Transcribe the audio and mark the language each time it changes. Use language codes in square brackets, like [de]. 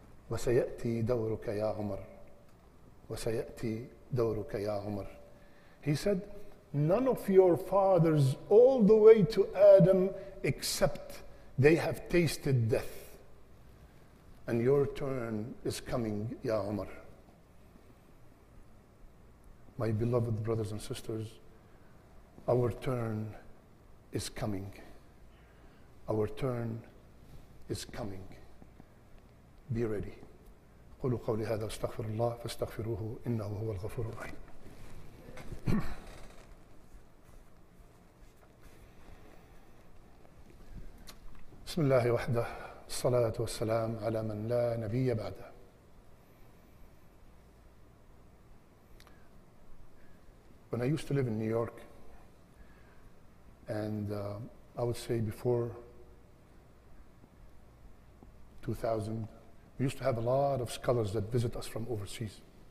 [ar] وسيأتي دورك يا عمر وسيأتي دورك يا عمر. [en] He said, none of your fathers all the way to Adam except they have tasted death, and your turn is coming, ya Umar. My beloved brothers and sisters, our turn is coming. Our turn is coming. Be ready. [ar] قولوا قولي هذا استغفر الله فاستغفروه إنه هو الغفور الرحيم. بسم الله وحده الصلاة والسلام على من لا نبي بعده. [en] When I used to live in New York, and I would say before 2000, we used to have a lot of scholars that visit us from overseas.